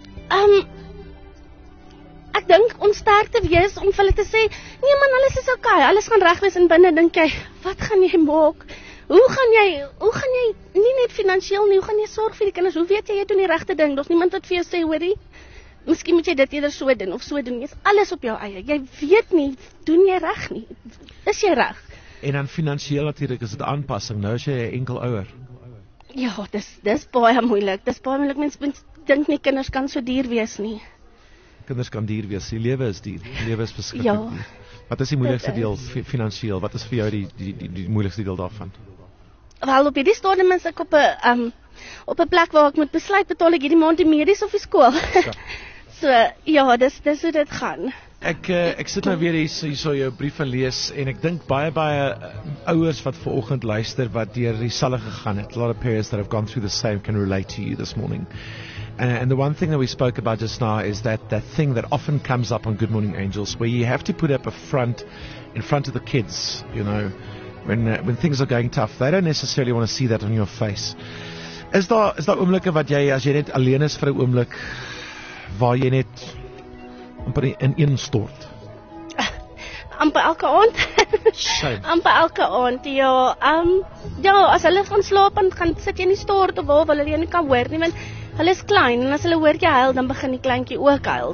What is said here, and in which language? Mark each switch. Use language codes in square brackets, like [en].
[af] Ek dink ons sterk te wees om vir hulle te sê, nee man, alles is okay, alles gaan reg wees, en binne dink jy, wat gaan jy maak? Hoe gaan jy, nie net financieel nie, hoe gaan jy sorg vir die kinders, hoe weet jy, jy doen die regte ding, daar's niemand wat vir jou sê, hoorie, miskien moet jy dit eerder so doen, of so doen, jy is alles op jou eie, jy weet nie, doen jy reg nie, is jy reg? En dan financieel natuurlijk is dit aanpassing, nou is jy enkel ouer. Ja, dis baie moeilik, mens dink nie, kinders kan so duur wees nie. Kinders kan duur wees, die lewe is duur, die lewe is verskrikkelijk. Ja, wat is die moeilikste deel financieel, wat is vir jou die moeilikste deel daarvan? Wel, op hierdie stadium is ek op een plek waar ek moet besluit, betaal ek hierdie maand die medies of die school. Ja. So, ja, dis hoe dit gaan. Ek sit nou weer hier so jou brief en lees, en ek dink baie ouers wat vanoggend luister, wat deur dieselfde gegaan het. [en] A lot of parents that have gone through the same can relate to you this morning. And the one thing that we spoke about just now is that thing that often comes up on Good Morning Angels, where you have to put up a front in front of the kids, you know, when things are going tough. They don't necessarily want to see that on your face. [af] Is daar oomblikke wat jy, as jy net alleen is vir 'n oomblik, waar jy net amper in een stort? Amper elke aand. Amper elke aand, ja. Ja, as hulle gaan slaap en gaan sit jy in die stort of waar hulle jy nie kan hoor nie, want hulle is klein, en as hulle hoor jy huil, dan begin die kleintjie ook huil.